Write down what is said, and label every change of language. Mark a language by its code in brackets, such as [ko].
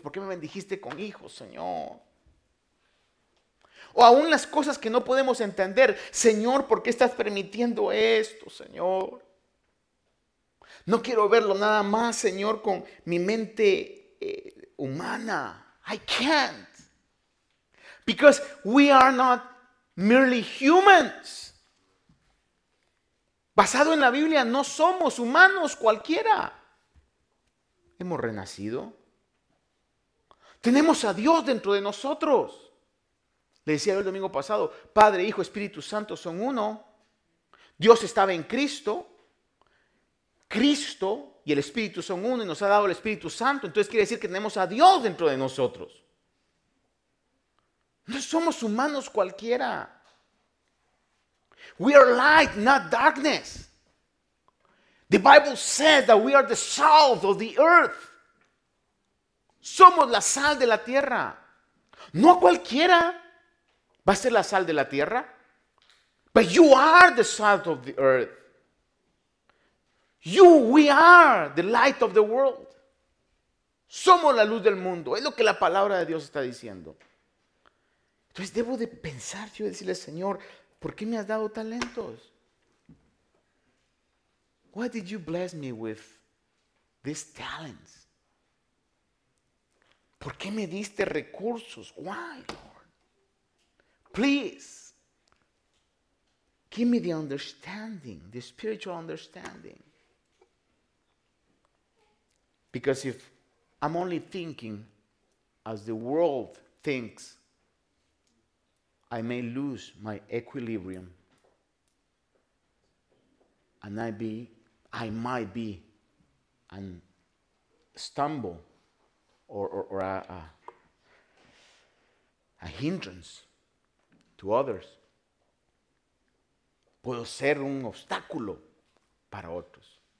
[es] ¿Por qué me bendijiste con hijos, Señor? O aún las cosas que no podemos entender. Señor, ¿por qué estás permitiendo esto, Señor? No quiero verlo nada más, Señor, con mi mente humana. [en] I can't. Because we are not merely humans. [es] Basado en la Biblia, no somos humanos cualquiera. Hemos renacido. Tenemos a Dios dentro de nosotros. Le decía yo el domingo pasado, Padre, Hijo, Espíritu Santo son uno. Dios estaba en Cristo. Cristo y el Espíritu son uno y nos ha dado el Espíritu Santo. Entonces quiere decir que tenemos a Dios dentro de nosotros. No somos humanos cualquiera. [en] We are light, not darkness. The Bible says that we are the salt of the earth. [es] Somos la sal de la tierra. No cualquiera va a ser la sal de la tierra. [en] But you are the salt of the earth. You, we are the light of the world. [es] Somos la luz del mundo. Es lo que la palabra de Dios está diciendo. Entonces debo de pensar, yo decirle, Señor, ¿por qué me has dado talentos? [en] What did you bless me with these talents? [es] ¿Por qué me diste recursos? [en] Why, Lord? Please, give me the understanding, the spiritual understanding. Because if I'm only thinking as the world thinks, I may lose my equilibrium and I might be and stumble or a hindrance to others. [es] Puedo ser un obstáculo para otros.